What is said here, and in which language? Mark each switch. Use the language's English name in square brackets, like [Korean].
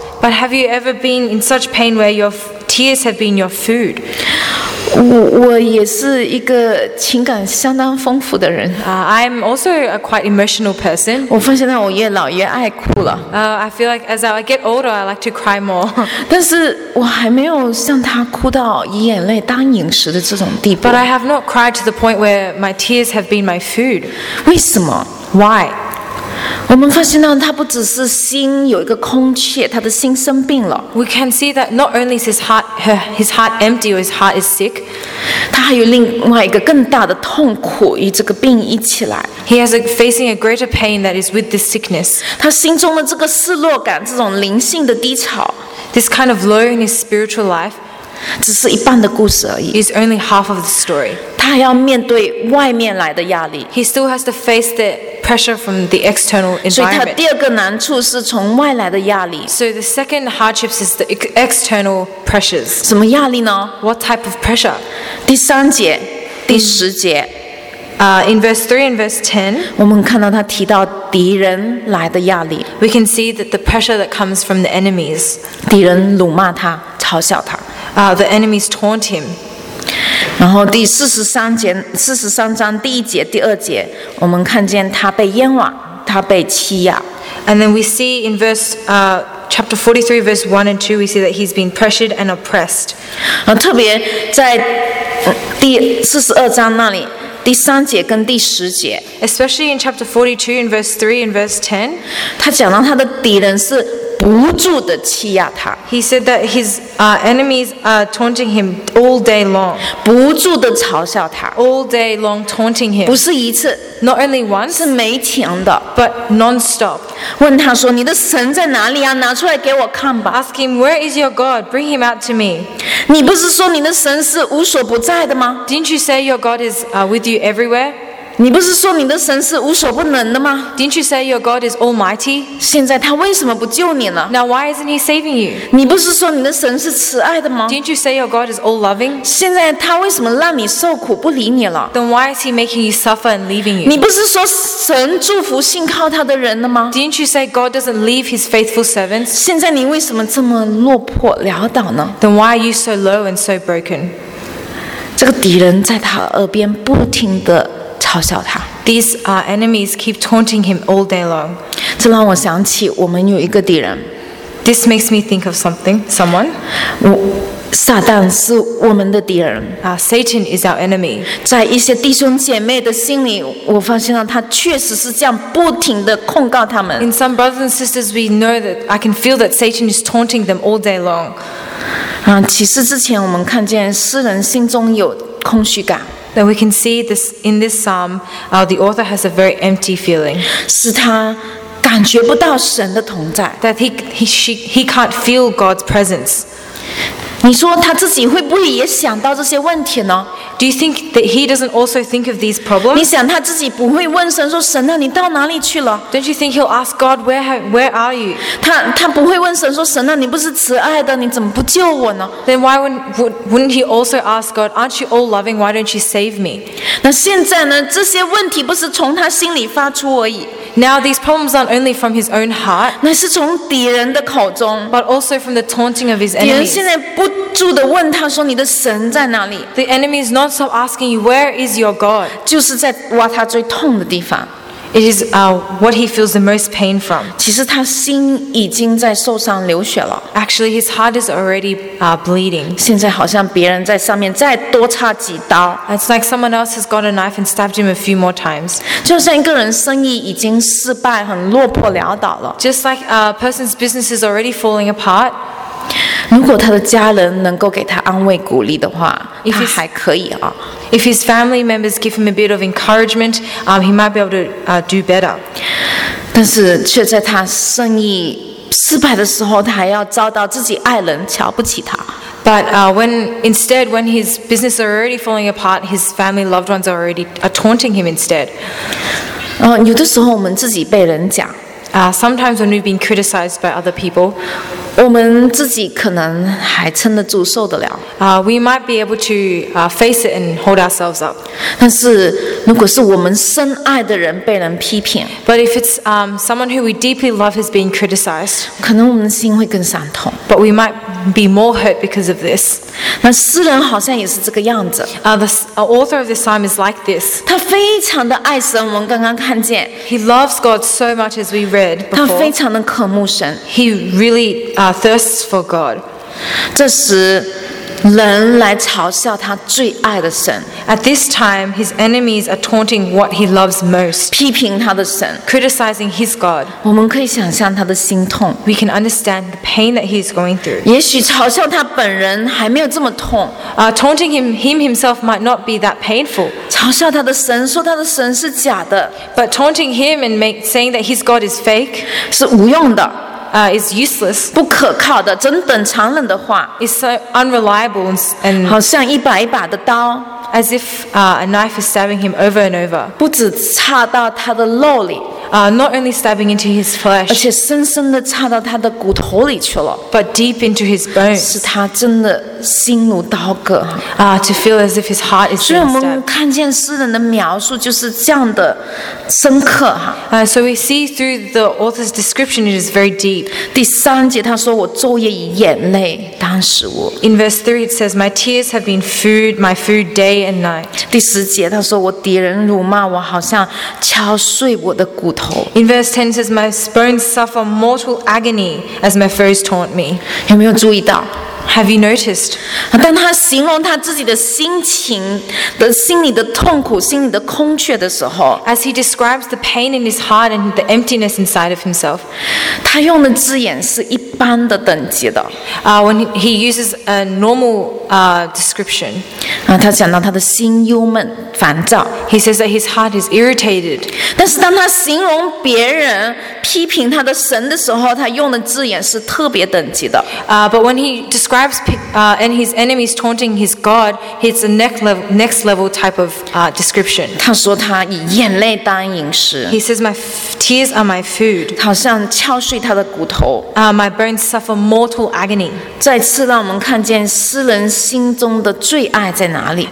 [English] But have you ever been in such pain where your tears have been your food? [Chinese] 我也是一个情感相当丰富的人。 [English] I'm also a quite emotional person. [Chinese] 我发现我越老越爱哭了。 [English] I feel like as I get older, I like to cry more. [Chinese] 但是我还没有像他哭到以眼泪当饮食的这种地步。 [English] But I have not cried to the point where my tears have been my food. [Chinese] 为什么？ [English] Why? [Chinese] 我们发现到他不只是心有一个空缺，他的心生病了。 [English] We can see that not only is his heart empty or his heart is sick, [Chinese] 他还有另外一个更大的痛苦与这个病一起来。 [English] He is facing a greater pain that is with this sickness. [Chinese] 他心中的这个失落感，这种灵性的低潮 [English] ，this kind of low in his spiritual life, [Chinese] 只是一半的故事而已。 [English] Is only half of the story. [Chinese] 他还要面对外面来的压力。 [English] He still has to face the pressure from the external environment. [Chinese] 所以他第二个难处是从外来的压力。 [English] So the second hardship is the external pressures. [Chinese] 什么压力呢？ [English] What type of pressure? [Chinese] 第三节，第十节。 [English] In verse 3 and verse 10, [Chinese] 我们看到他提到敌人来的压力。 [English] We can see that the pressure that comes from the enemies. [Chinese] 敌人辱骂他，嘲笑他。 [English] The enemies taunt him. [Chinese] 然后第43章第一节第二节，我们看见他被冤枉，他被欺压。 [English] And then we see in chapter 43 verse 1 and 2 we see that he's been pressured and oppressed. [Chinese] 特别在第42章那里第三节跟第十节。 [English] Especially in chapter 42 in verse 3 and verse 10, [Chinese] 他讲到他的敌人是不住地欺压他。 [English] He said that his enemies are taunting him all day long. [Chinese] 不住地嘲笑他。 [English] All day long taunting him. [Chinese] 不是一次。 [English] Not only once. [Chinese] 是没停的。 [English] But non-stop. [Chinese] 问他说你的神在哪里啊？拿出来给我看吧。 [English] Ask him, where is your God? Bring him out to me. [Chinese] 你不是说你的神是无所不在的吗？ [English] Didn't you say your God is with you everywhere? [Chinese] 你不是说你的神是无所不能的吗？ [English] Didn't you say your God is almighty? [Chinese] 现在他为什么不救你呢？ [English] Now why isn't he saving you? [Chinese] 你不是说你的神是慈爱的吗？ [English] Didn't you say your God is all loving? [Chinese] 现在他为什么让你受苦不理你了？ [English] Then why is he making you suffer and leaving you? [Chinese] 你不是说神祝福信靠他的人的吗？ [English] Didn't you say God doesn't leave his faithful servants? [Chinese] 现在你为什么这么落魄潦倒呢？ [English] Then why are you so low and so broken? [Chinese] 这个敌人在他耳边不停地 [English] These enemies keep taunting him all day long. [Chinese] 这让我想起我们有一个敌人。 [English] This makes me think of something, someone. [Chinese] 撒旦是我们的敌人。 [English] Satan is our enemy. [Chinese] 在一些弟兄姐妹的心里，我发现了他确实是这样不停地控告他们。 [English] In some brothers and sisters, we know that I can feel that Satan is taunting them all day long. [Chinese] 启示之前我们看见诗人心中有空虚感。 [English] Then we can see this in this psalm, the author has a very empty feeling. [Chinese] 是他感觉不到神的同在。 [English] That he can't feel God's presence. [Chinese] 你说他自己会不会也想到这些问题呢？ [English] Do you think that he doesn't also think of these problems? [Chinese] 你想他自己不会问神说神啊，你到哪里去了？ [English] Don't you think he'll ask God where are you? [Chinese] 他不会问神说神啊，你不是慈爱的，你怎么不救我呢？ [English] Then why wouldn't he also ask God, aren't you all loving? Why don't you save me? [Chinese] 那现在呢？这些问题不是从他心里发出而已。 [English] Now these problems aren't only from his own heart, [Chinese] 那是从敌人的口中 [English] but also from the taunting of his enemies. [Chinese] 敌人现在不住地问他说你的神在哪里。 [English] The enemy is not stop asking you, where is your God? [Chinese] 就是在挖他最痛的地方。 [English] It is what he feels the most pain from. [Chinese] 其实他心已经在受伤流血了。 [English] Actually, his heart is already bleeding. [Chinese] 现在好像别人在上面再多插几刀。 [English] It's like someone else has got a knife and stabbed him a few more times. [Chinese] 就像一个人生意已经失败，很落魄潦倒了。 [English] Just like a person's business is already falling apart. [Chinese] 如果他的家人能够给他安慰鼓励的话，他还可以啊。 [English] If his family members give him a bit of encouragement, he might be able to do better. [Chinese] 但是却在他生意失败的时候，他还要遭到自己爱人瞧不起他。 [English] But when his business are already falling apart, his family loved ones are already taunting him instead. [Chinese] 有的时候我们自己被人讲。 [English] Sometimes when we've been criticized by other people, [Chinese] 我们自己可能还撑得住受得了。 [English] We might be able to face it and hold ourselves up. [Chinese] 但是如果是我们深爱的人被人批评。 [English] But if it's someone who we deeply love is being criticized, [Chinese] 可能我们的心会更伤痛。 [English] But we might be more hurt because of this. [Chinese] 那诗人好像也是这个样子。 [English] The author of this psalm is like this. [Chinese] 他非常的爱神，我们刚刚看见。 [English] He loves God so much as we read. [Chinese] 他非常的渴慕神。 [English] He really thirsts for God. [Chinese] 这时，人来嘲笑他最爱的神。 [English] At this time, his enemies are taunting what he loves most. [Chinese] 批评他的神。 [English] Criticizing his God. [Chinese] 我们可以想象他的心痛。 [English] We can understand the pain that he is going through. [Chinese] 也许嘲笑他本人还没有这么痛。 [English] Taunting him himself might not be that painful. [Chinese] 嘲笑他的神，说他的神是假的。 [English] But taunting him and saying that his God is fake [Chinese] 是无用的。 [English] Is useless. [Chinese] 不可靠的，真等残忍的话。 [English] Is so unreliable and [Chinese] 好像一把一把的刀。 [English] As if a knife is stabbing him over and over. [Chinese] 不只插到他的肉里。 [English] Not only stabbing into his flesh. [Chinese] 而且深深的插到他的骨头里去了。 [English] But deep into his bones. [Chinese] 使他真的心如刀割。 [English] To feel as if his heart is being stabbed. [Chinese] 所以我们看见诗人的描述就是这样的深刻哈。 [English] So we see through the author's description, it is very deep. [Chinese] 第三节他说我昼夜以眼泪当食物。 [English] In verse 3 it says, my tears have been food, my food day and night. [Chinese] 第十节他说我敌人辱骂我，好像敲碎我的骨。 [English] In verse 10 says, my bones suffer mortal agony as my foes taunt me. [Chinese] 有没有注意到？ [English] Have you noticed? [Chinese] 当他形容他自己的心情的心里的痛苦心里的空缺的时候 [English] As he describes the pain in his heart and the emptiness inside of himself [Chinese] 他用的字眼是一般的等级的 [English] When he uses a normal description [Chinese] 他讲到他的心忧闷烦躁 [English] He says that his heart is irritated [Chinese] 但是当他形容别人批评他的神的时候他用的字眼是特别等级的 [English] But when he describes and his enemies taunting his God, it's a next level type of description. [Chinese] 他说他以眼泪当饮食。 [English] He says my tears are my food. [Chinese] 好像敲碎他的骨头。 [English] My bones suffer mortal agony. [Chinese] 再次让我们看见诗人心中的最爱在哪里。